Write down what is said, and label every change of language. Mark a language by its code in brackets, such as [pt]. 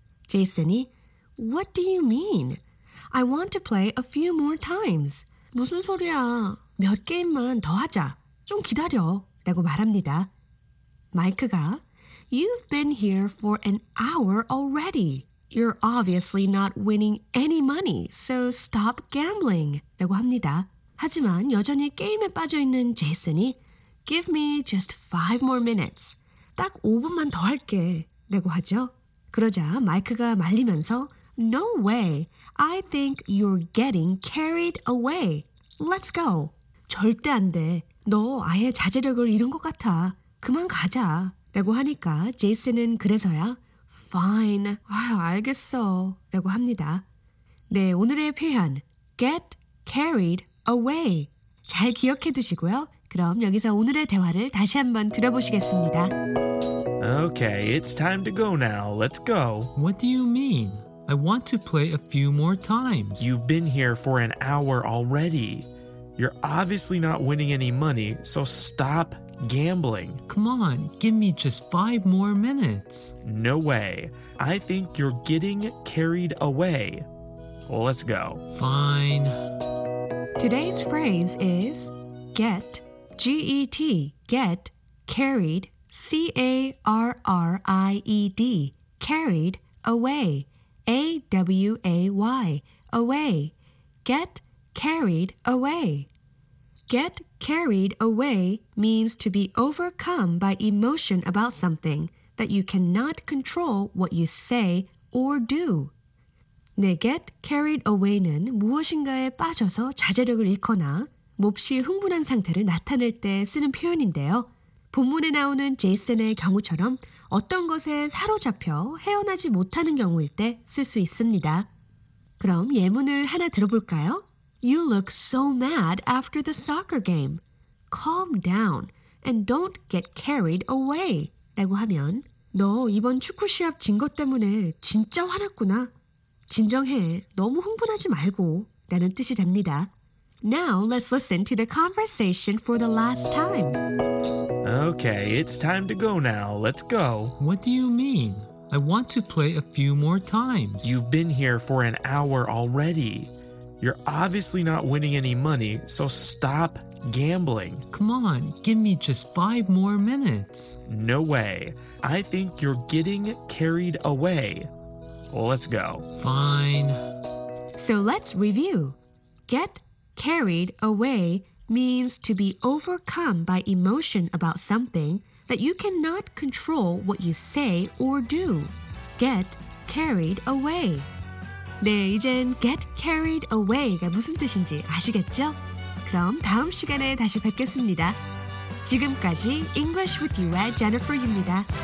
[en] 제이슨이 What do you mean? I want to play a few more times. [ko] 무슨 소리야. 몇 게임만 더 하자. 좀 기다려. 라고 말합니다. [en] 마이크가 You've been here for an hour already. You're obviously not winning any money, so stop gambling. [ko] 라고 합니다. 하지만 여전히 게임에 빠져있는 제이슨이 [en] Give me just 5 more minutes. [ko] 딱 5분만 더 할게. 라고 하죠. 그러자 마이크가 말리면서 [en] No way. I think you're getting carried away. Let's go. [ko] 절대 안 돼. 너 아예 자제력을 잃은 것 같아. 그만 가자. 라고 하니까 제이슨은 그래서야 [en] Fine. [ko] 아유, 알겠어. 라고 합니다. 네, 오늘의 표현 Get carried away. 잘 기억해 두시고요. 그럼 여기서 오늘의 대화를 다시 한번 들어보시겠습니다. [en] Okay, it's time to go now. Let's go. What do you mean? I want to play a few more times. You've been here for an hour already. You're obviously not winning any money, so stop gambling. Come on, give me just 5 more minutes. No way. I think you're getting carried away. Let's go. Fine. Today's phrase is get, G-E-T, get carried, C-A-R-R-I-E-D, carried away, A-W-A-Y, away, get carried away. Get carried away means to be overcome by emotion about something that you cannot control what you say or do. [ko] 네, get carried away는 무엇인가에 빠져서 자제력을 잃거나 몹시 흥분한 상태를 나타낼 때 쓰는 표현인데요. 본문에 나오는 제이슨의 경우처럼 어떤 것에 사로잡혀 헤어나지 못하는 경우일 때 쓸 수 있습니다. 그럼 예문을 하나 들어볼까요? [en] You look so mad after the soccer game. Calm down and don't get carried away. [ko] 라고 하면 너 이번 축구 시합 진 것 때문에 진짜 화났구나. 진정해. 너무 흥분하지 말고. 라는 뜻이 됩니다. [en] Now let's listen to the conversation for the last time. Okay, it's time to go now. Let's go. What do you mean? I want to play a few more times. You've been here for an hour already. You're obviously not winning any money, so stop gambling. Come on, give me just 5 more minutes. No way. I think you're getting carried away. Let's go. Fine. So let's review. Get carried away means to be overcome by emotion about something that you cannot control what you say or do. Get carried away. [ko] 네, 이젠 get carried away가 무슨 뜻인지 아시겠죠? 그럼 다음 시간에 다시 뵙겠습니다. 지금까지 English with you의 Jennifer입니다.